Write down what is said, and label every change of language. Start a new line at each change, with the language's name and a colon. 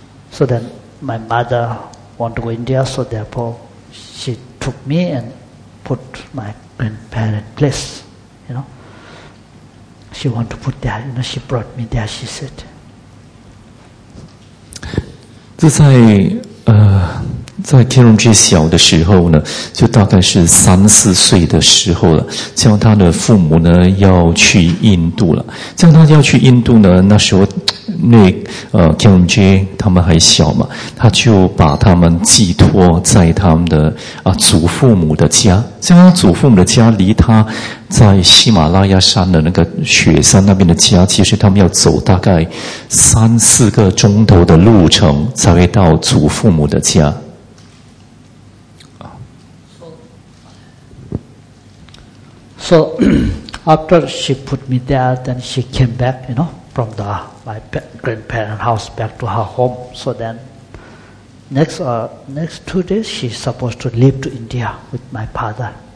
English: So then my mother want to go to India, so therefore she took me and put my grandparent place, you know. She want to put there, you know, she brought me there, she said.
Chinese: 在 Kieran 之小的时候呢，就大概是3、4岁的时候了，像他的父母呢要去印度了。像他要去印度呢，那时候那Kieran 之他们还小嘛，他就把他们寄托在他们的祖父母的家。像他祖父母的家离他在喜马拉雅山的那个雪山那边的家，其实他们要走大概3、4个钟头的路程才会到祖父母的家。
English: So after she put me there, then she came back, you know, from the, my grandparents' house back to her home. So then next 2 days, she's supposed to leave to India with my father.